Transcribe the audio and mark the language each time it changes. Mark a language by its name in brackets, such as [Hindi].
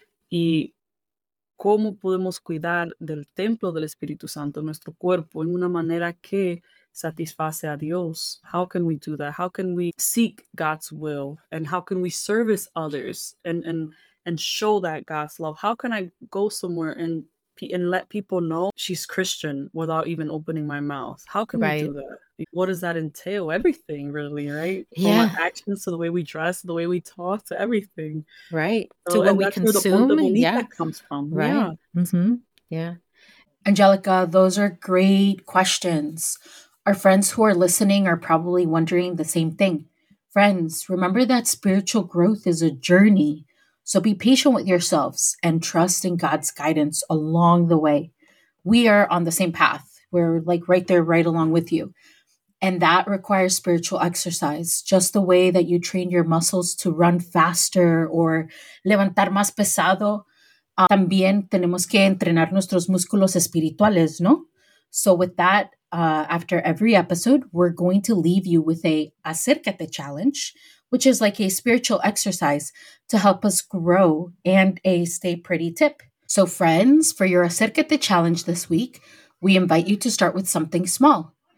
[Spanish] Y cómo podemos cuidar del templo del Espíritu Santo, nuestro cuerpo, en una manera que satisface a Dios. [English] How can we do that? How can we seek God's will? And how can we service others and show that God's love? How can I go somewhere and let people know she's Christian without even opening my mouth? How can we do that? What does that entail? Everything, really, right? Yeah. From our actions to the way we dress, the way we talk, to everything. Right. To what we consume. Where the that comes from. Right. Yeah. Mm-hmm. Yeah. Angelica, those are great questions. Our friends who are listening are probably wondering the same thing. Friends, remember that spiritual growth is a journey. So be patient with yourselves and trust in God's guidance along the way. We are on the same path. We're like right there, right along with you. And that requires spiritual exercise, just the way that you train your muscles to run faster or [Spanish] levantar más pesado. También tenemos que entrenar nuestros músculos espirituales, ¿no? [English] So with that, after every episode, we're going to leave you with a acércate challenge, which is like a spiritual exercise to help us grow, and a stay pretty tip. So friends, for your acércate challenge this week, we invite you to start with something small.